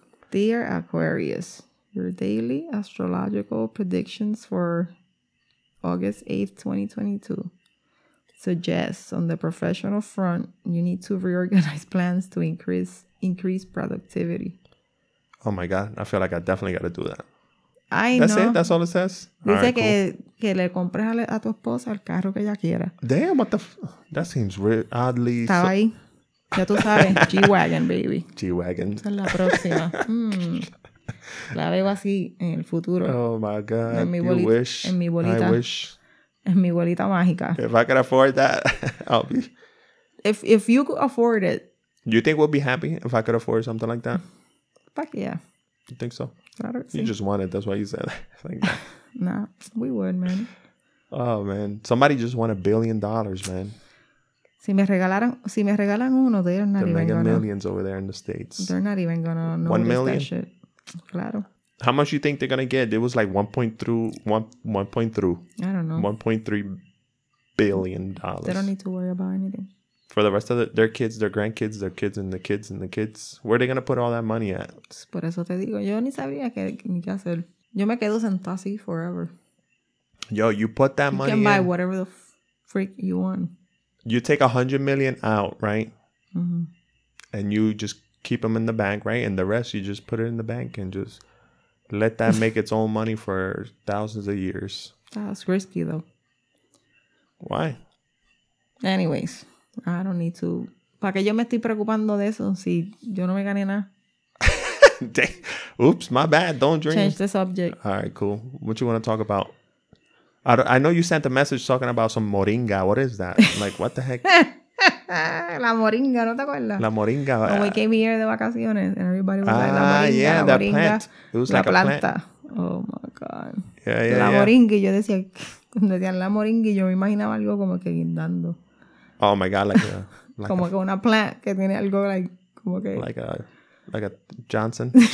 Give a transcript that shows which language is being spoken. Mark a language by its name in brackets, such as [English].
[English] Dear Aquarius, your daily astrological predictions for... August 8th, 2022 suggests on the professional front, you need to reorganize plans to increase productivity. Oh my God. I feel like I definitely got to do that. That's it? That's all it says? [Spanish] Dice que le compres a tu esposa el carro que ella quiera. [English] Damn, what the... That seems oddly... [Spanish] Estaba ahí. Ya tú sabes. G-Wagon, baby. [English] G-Wagon. [Spanish] Esa es la próxima. La veo así en el futuro. [English] Oh my God. [Spanish] En mi bolita. [English] You wish. [Spanish] En mi bolita. [English] I wish. [Spanish] En mi bolita mágica. [English] If I can afford that, I'll be. If you could afford it. You think we'll be happy if I could afford something like that? Fuck yeah. You think so? [Spanish] Claro, sí. [English] You just want it. That's why you said it. Like nah, we would, man. Oh, man. Somebody just won $1 billion, man. [Spanish] Si me regalaran uno, [English] they're not they're even going to. They're millions over there in the States. They're not even going to know that shit. 1 million? [Spanish] Claro. [English] How much you think they're gonna get? It was like $1.3 billion. They don't need to worry about anything. For the rest of their kids, their kids and the kids and the kids. Where are they gonna put all that money at? [Spanish] Por eso te digo, yo ni sabría qué hacer. Yo me quedo sentado así forever. [English] Yo, you put that money. You can money buy in, whatever the freak you want. You take $100 million out, right? Mm-hmm. And you just keep them in the bank, right? And the rest, you just put it in the bank and just let that make its own money for thousands of years. That's risky, though. Why? Anyways, I don't need to... [Spanish] ¿Para qué yo me estoy preocupando de eso si yo no me gané nada? [English] Oops, my bad. Don't drink. Change the subject. All right, cool. What you want to talk about? I know you sent a message talking about some moringa. What is that? Like, what the heck? [Spanish] La moringa, ¿no te acuerdas? La moringa. [English] When we came here [Spanish] de vacaciones [English] and everybody was like, [Spanish] la moringa, [English] plant. It was [Spanish] la [English] like [Spanish] planta. [English] A plant. Oh my God. Yeah. [Spanish] La moringa, yo decía, cuando decían la moringa, yo me imaginaba algo como que guindando. [English] Oh my God, like [Spanish] como que una plant que tiene algo like, como que... [English] Like a... Like a Johnson?